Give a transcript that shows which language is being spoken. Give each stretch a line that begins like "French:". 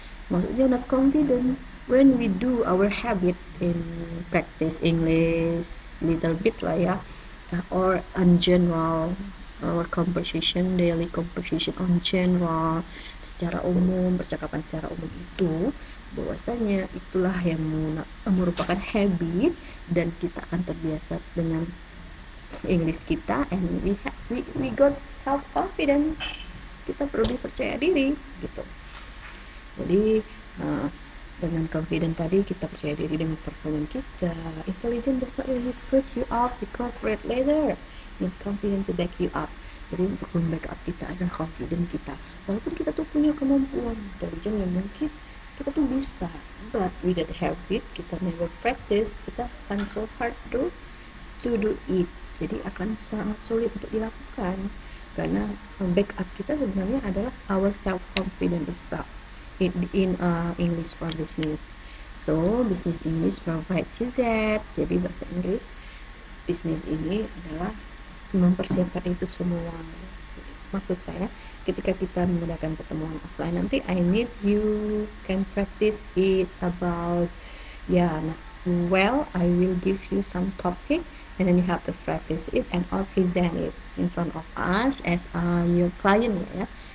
Indonesian: Maksudnya
English: not confident. When we do our habit in practice English little bit lah ya, or in general our conversation, daily conversation on general,
Indonesian: secara umum, percakapan secara umum itu, bahwasanya itulah yang merupakan habit dan kita akan terbiasa dengan English kita
English: and we got self confidence,
Indonesian: kita perlu percaya diri gitu. Jadi dengan confident tadi kita percaya diri dengan performa kita.
English: Intelligent does not really put you up because great leader is confident to back you up.
Indonesian: Jadi untuk back up kita adalah confident kita. Walaupun kita tuh punya kemampuan intelligent yang mungkin kita tuh bisa,
English: but without habit
Indonesian: kita
English: never practice,
Indonesian: kita akan
English: so hard to do it.
Indonesian: Jadi akan sangat sulit untuk dilakukan karena back up kita sebenarnya adalah
English: our self confidence itself. In English for business, so business English provides you that.
Indonesian: Jadi bahasa Inggris bisnis ini adalah mempersiapkan itu semua. Maksud saya, ketika kita mengadakan pertemuan offline nanti,
English: I need you can practice it about well, I will give you some topic and then you have to practice it and or present it in front of us as your client ya.